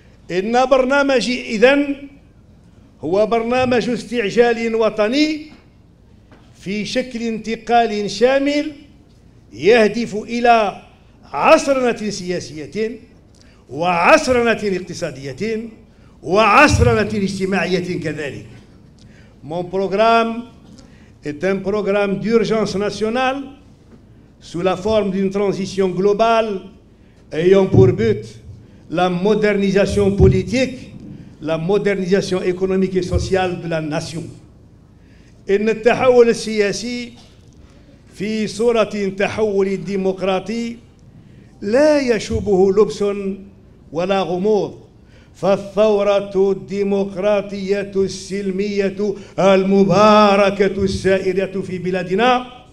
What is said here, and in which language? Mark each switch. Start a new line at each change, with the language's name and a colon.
Arabic: إن برنامجي إذن هو برنامج استعجال وطني في شكل انتقال شامل يهدف إلى عصرنة سياسية وعصرنة اقتصادية وعصرنة اجتماعية كذلك.
French: Mon programme est un programme d'urgence nationale sous la forme d'une transition globale ayant pour but la modernisation politique, la modernisation économique et sociale de la nation.
Arabic: إن التحول السياسي في صورة تحول ديمقراطي لا يشوبه لبس ولا غموض، فالثورة الديمقراطية السلمية المباركة السائرة في بلادنا